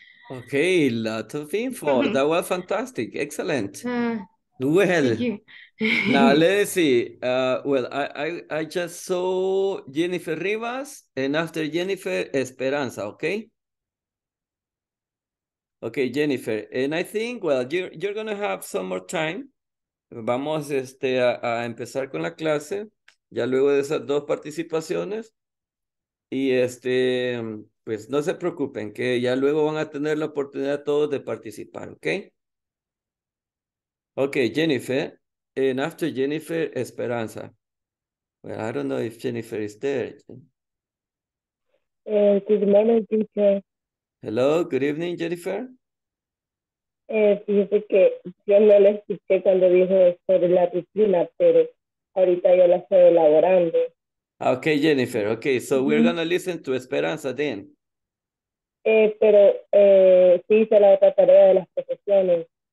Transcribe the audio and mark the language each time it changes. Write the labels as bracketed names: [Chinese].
[English] Okay, lot of info. That was fantastic. Excellent. Well, thank you. Now let's see. I just saw Jennifer Rivas, and after Jennifer, Esperanza. Okay, Jennifer, and I think you're gonna have some more time. [Spanish] Vamos a empezar con la clase ya luego de esas dos participaciones, y pues no se preocupen que ya luego van a tener la oportunidad todos de participar, okay. [English] Okay, Jennifer, and after Jennifer, Esperanza. Well, I don't know if Jennifer is there. Good morning, teacher. Hello, good evening, Jennifer. [Spanish] Fíjese que yo no la escuché cuando dijo sobre la rutina, pero ahorita yo la estoy elaborando. [English] Okay, Jennifer, okay, so we're going to listen to Esperanza then. [Spanish] Sí hice la otra tarea de las profesiones.